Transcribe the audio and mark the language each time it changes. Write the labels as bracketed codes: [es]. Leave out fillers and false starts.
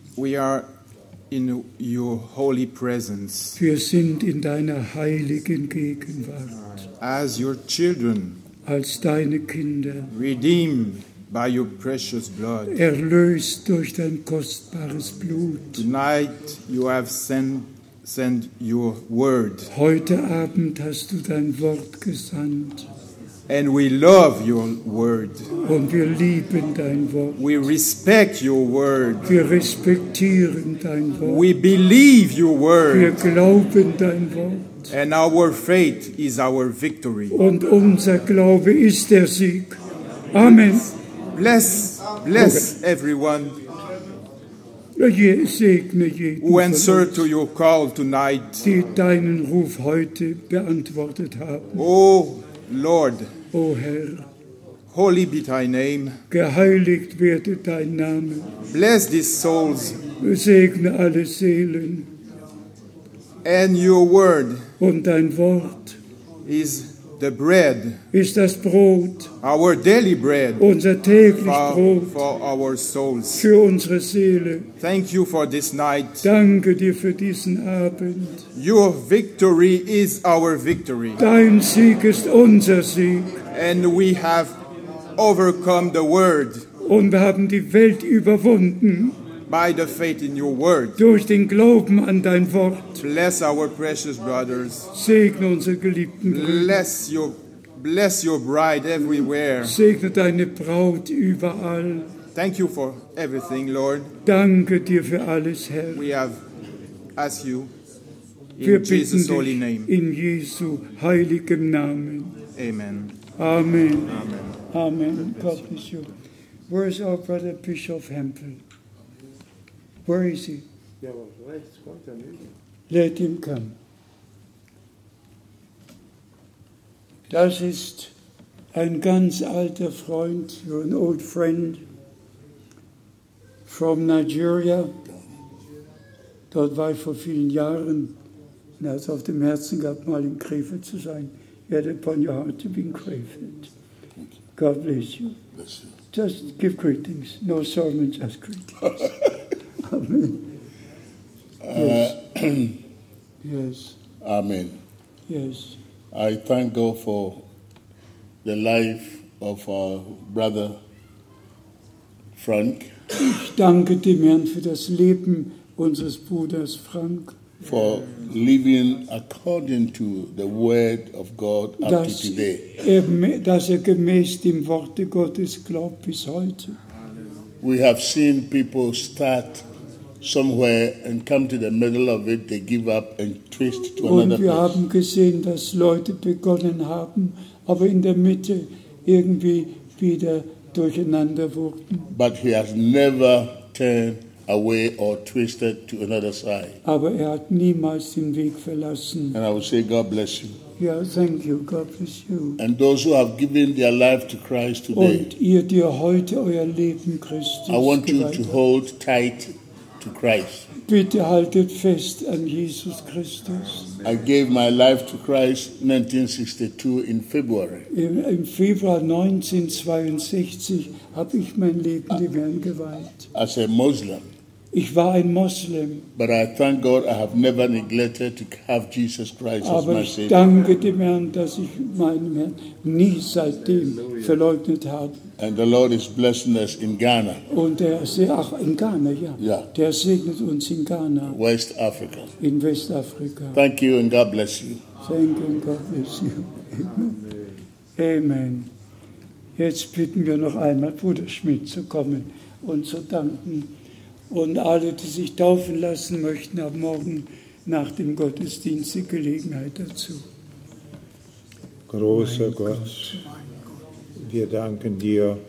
[en] we are in your holy presence. [de] Wir sind in deiner heiligen Gegenwart. [en] As your children, [de] als deine Kinder, [en] redeemed by your precious blood, [de] erlöst durch dein kostbares Blut. [en] Tonight you have sent your word. [de] Heute Abend hast du dein Wort gesandt. [en] And we love your word. [de] Und wir lieben dein Wort. [en] We respect your word. [de] Wir respektieren dein Wort. [en] We believe your word. [de] Wir glauben dein Wort. [en] And our faith is our victory. [de] Und unser Glaube ist der Sieg. [en] Amen. Bless everyone. [de] Segne jeden [en] who answered to your call tonight. [de] Die deinen Ruf heute beantwortet haben. [en] Oh Lord. [de] Oh Herr. [en] Holy be thy name. [de] Geheiligt werde dein Name. [en] Bless these souls. [de] Segne alle Seelen. [en] And your word. [de] Und dein Wort. [en] Is the bread. [de] Ist das Brot. [en] Our daily bread. [de] Unser täglich Brot. [en] For our souls. [de] Für unsere Seele. [en] Thank you for this night. [de] Danke dir für diesen Abend. [en] Your victory is our victory. [de] Dein Sieg ist unser Sieg. [en] And we have overcome the world. [de] Und wir haben die Welt überwunden. [en] By the faith in your word. [de] Durch den Glauben an dein Wort. [en] Bless our precious brothers. [de] Segne unsere geliebten Brüder. [en] Bless your bride everywhere. [de] Segne deine Braut überall. [en] Thank you for everything, Lord. [de] Danke dir für alles, Herr. [en] We have asked you in Jesus' holy name. [de] In Jesu heiligem Namen. Amen. Amen. Amen. [en] Amen. God bless you. Where is our brother Bishop Hempel? Where is he? Let him come. [de] Das ist ein ganz alter Freund, [en] an old friend from Nigeria. [de] Dort war ich vor vielen Jahren und hat es auf dem Herzen gehabt, mal in Krefeld zu sein. [en] Yet upon your heart to be in Krefeld. God bless you. Just give greetings. No sermon, just greetings. Amen. Yes. Yes. Amen. Yes. I thank God for the life of our brother Frank. [de] Ich danke dem Herrn für das Leben unseres Bruders Frank. [en] For living according to the word of God up to today. [de] Dass er gemäß dem Worte Gottes glaubt bis heute. [en] We have seen people start somewhere and come to the middle of it, they give up and twist to another place. [de] Und wir haben gesehen, dass Leute begonnen haben, aber in der Mitte irgendwie wieder durcheinander wurden. [en] But he has never turned away or twisted to another side. [de] Aber er hat niemals den Weg verlassen. [en] And I would say, God bless you. Yeah, thank you. God bless you. And those who have given their life to Christ today. [de] Und ihr, die heute euer Leben Christus gegeben. [en] I want you to hold tight. Christ. [de] Bitte haltet fest an Jesus Christus. [en] I gave my life to Christ 1962 in February. [de] Im Februar 1962 habe ich mein Leben dem Herrn geweiht. [en] As a Muslim. [de] Ich war ein Muslim. [en] But I thank God I have never neglected to have Jesus Christ [de] aber [en] as my Savior. [de] Aber ich danke dem Herrn, dass ich meinen Herrn nie seitdem verleugnet habe. [en] And the Lord is blessing us in Ghana. [de] Und er auch in Ghana, ja. [en] Yeah. [de] Der segnet uns in Ghana. [en] West Africa. In West Africa. Thank you and God bless you. Thank you and God bless you. Amen. Amen. [de] Jetzt bitten wir noch einmal Bruder Schmidt zu kommen und zu danken. Und alle, die sich taufen lassen möchten, haben morgen nach dem Gottesdienst die Gelegenheit dazu. Großer Gott. Wir danken dir,